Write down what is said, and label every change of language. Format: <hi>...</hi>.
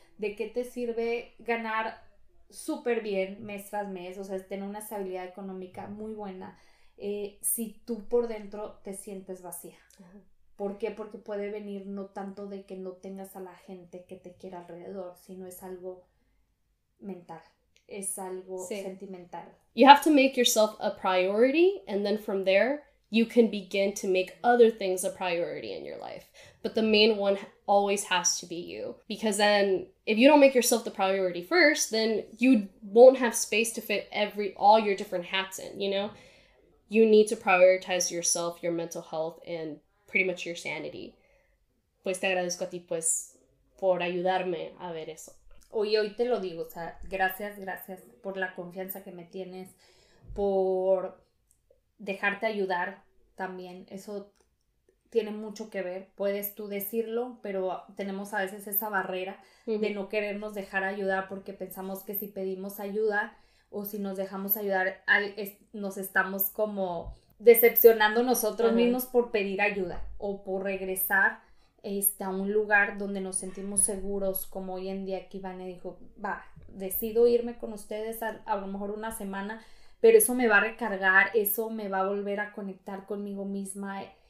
<es>¿De qué te sirve ganar súper bien mes tras mes? O sea, tener una estabilidad económica muy buena, si tú por dentro te sientes vacía. ¿Por qué? Porque puede venir no tanto de que no tengas a la gente que te quiera alrededor, sino es algo mental, es algo Sí. sentimental.</es> <en>You have to make yourself a priority, and then from there, you can begin to make other things a priority in your life. But the main one always has to be you. Because then, if you don't make yourself the priority first, then you won't have space to fit all your different hats in, you know? You need to prioritize yourself, your mental health, and pretty much your sanity.</en> <es>Pues te agradezco a ti, pues, por ayudarme a ver eso. Hoy te lo digo, o sea, gracias, gracias por la confianza que me tienes, por dejarte ayudar también. Eso tiene mucho que ver. Puedes tú decirlo, pero tenemos a veces esa barrera de no querernos dejar ayudar porque pensamos que si pedimos ayuda o si nos dejamos ayudar, nos estamos como decepcionando nosotros mismos por pedir ayuda o por regresar a un lugar donde nos sentimos seguros, como hoy en día que Ivane dijo, va, decido irme con ustedes a lo mejor una semana, pero eso me va a recargar, eso me va a volver a conectar conmigo misma.</es>